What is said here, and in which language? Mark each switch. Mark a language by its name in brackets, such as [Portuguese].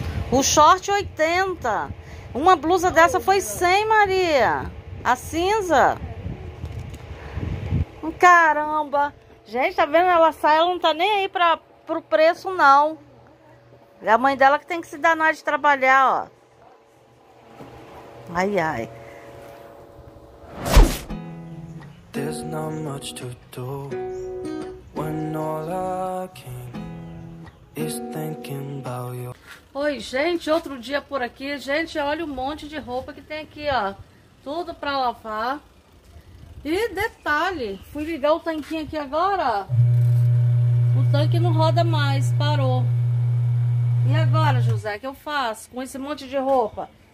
[Portuguese] O short 80. Uma blusa dessa foi 100, Maria. A cinza. Caramba. Gente, tá vendo? Ela sai, ela não tá nem aí pro preço, não. É a mãe dela que tem que se danar de trabalhar, ó. Ai, ai. [English] There's not much to do when all I can is thinking about you. [Portuguese] Oi, gente, outro dia por aqui. Gente, olha o monte de roupa que tem aqui, ó. Tudo pra lavar. E detalhe, fui ligar o tanquinho aqui agora. O tanque não roda mais, parou. E agora, José, o que eu faço com esse monte de roupa?